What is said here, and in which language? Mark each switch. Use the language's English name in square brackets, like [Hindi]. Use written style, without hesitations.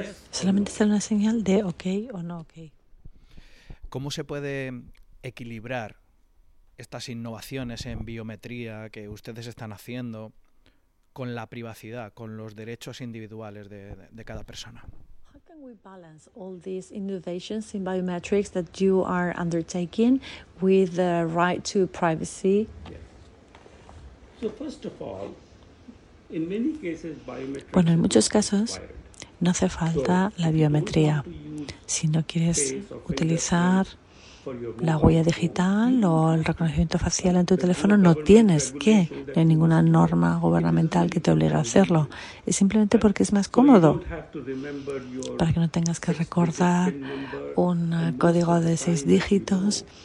[Spanish] Solamente sale una señal de ok o no ok. ¿Cómo se puede equilibrar estas innovaciones en biometría que ustedes están haciendo con la privacidad, con los derechos individuales de cada persona? [English] How can we balance all these innovations in biometrics that you are undertaking with the right to privacy? Yes. So first of all, in many cases, biometrics. [Spanish] Bueno, en muchos casos no hace falta la biometría. Si no quieres utilizar la huella digital o el reconocimiento facial en tu teléfono, no tienes que. No hay ninguna norma gubernamental que te obligue a hacerlo. Es simplemente porque es más cómodo, para que no tengas que recordar un código de 6 dígitos.